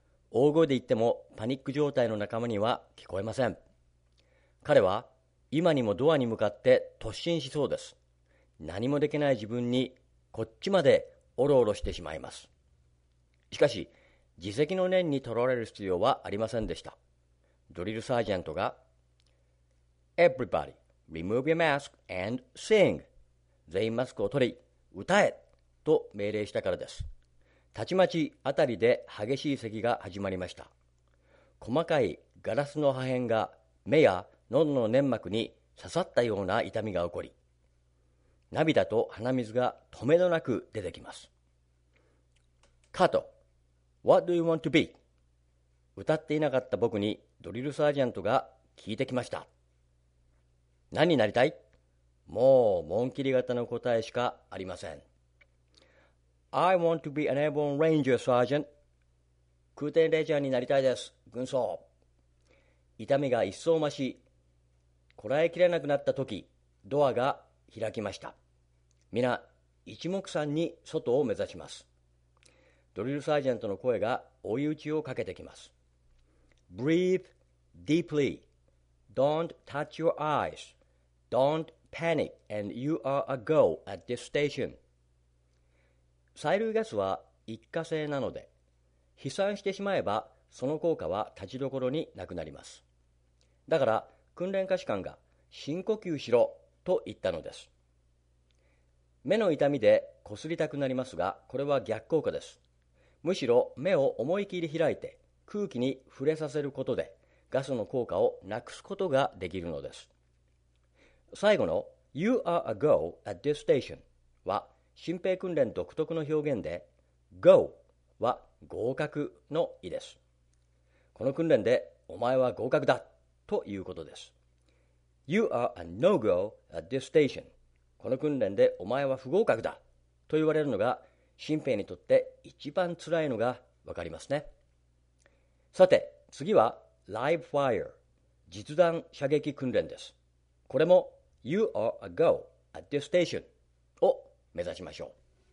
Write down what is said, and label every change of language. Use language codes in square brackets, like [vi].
[ja] 大声で言ってもパニック状態の仲間には聞こえません。彼は今にもドアに向かって突進しそうです。何もできない自分にこっちまでおろおろしてしまいます。しかし自責の念にとらわれる必要はありませんでした。ドリルサージェントが [en] Everybody, remove your mask and sing。 [ja] 全員マスクを取り歌えと命令したからです。たちまちあたりで激しい咳が始まりました。細かいガラスの破片が目や喉の粘膜に刺さったような痛みが起こり、涙と鼻水が止めどなく出てきます。 [en] カート、 What do you want to be? [ja] 歌っていなかった僕にドリルサージェントが聞いてきました。何になりたい？もう紋切り型の答えしかありません。 [en] I want to be an airborne ranger sergeant。 [ja] 空挺レジャーになりたいです、軍曹。痛みが一層増し、こらえきれなくなった時ドアが開きました。みな一目散に外を目指します。ドリルサージェントの声が追い打ちをかけてきます。 [en] Breathe deeply. Don't touch your eyes. Don't panic and you are a go at this station. [ja] 催涙ガスは一過性なので、飛散してしまえばその効果は立ちどころになくなります。だから訓練科士官が深呼吸しろと言ったのです。目の痛みでこすりたくなりますが、これは逆効果です。むしろ目を思い切り開いて空気に触れさせることでガスの効果をなくすことができるのです。最後の [en] You are a go at this station [ja] は新兵訓練独特の表現で、 Go は合格の意です。この訓練でお前は合格だということです。 [en] You are a no-go at this station。 [ja] この訓練でお前は不合格だと言われるのが新兵にとって一番辛いのが分かりますね。さて次は Live Fire、 実弾射撃訓練です。これも [en] You are a go at this station [ja] を目指しましょう。